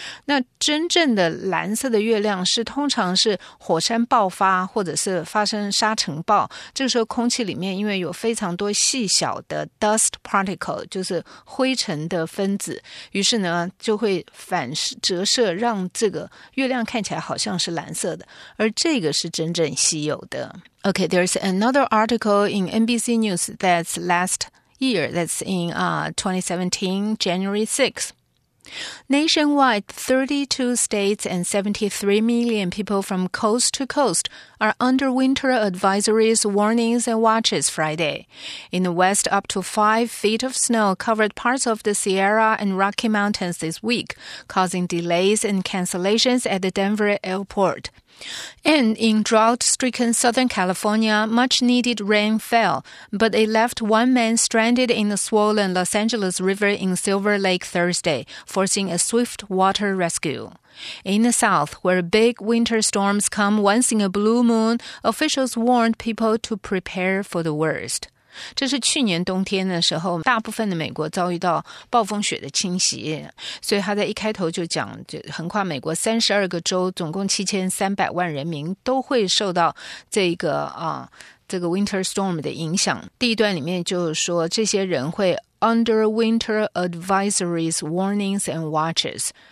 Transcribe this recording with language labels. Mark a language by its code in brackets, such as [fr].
[zh] 那真正的蓝色的月亮是通常是火山爆发或者是发生沙尘暴这个时候空气里面因为有非常多细小的 dust particle, 就是灰尘的分子于是呢就会反折射让这个月亮看起来好像是蓝色的而这个是真正稀有的。 [en] Okay, there's another article in NBC News that's last year, that's in 2017, January 6th. Nationwide, 32 states and 73 million people from coast to coast are under winter advisories, warnings, and watches Friday. In the west, up to 5 feet of snow covered parts of the Sierra and Rocky Mountains this week, causing delays and cancellations at the Denver airport. And in drought-stricken Southern California, much-needed rain fell, but it left one man stranded in the swollen Los Angeles River in Silver Lake Thursday, forcing a swift water rescue. In the south, where big winter storms come once in a blue moon, officials warned people to prepare for the worst. [zh] 这是去年冬天的时候，大部分的美国遭遇到暴风雪的侵袭，所以他在一开头就讲，就横跨美国32个州，总共7300万人民都会受到这个 winter storm 的影响。第一段里面就是说，这些人会 [en] under winter advisories, warnings and watches。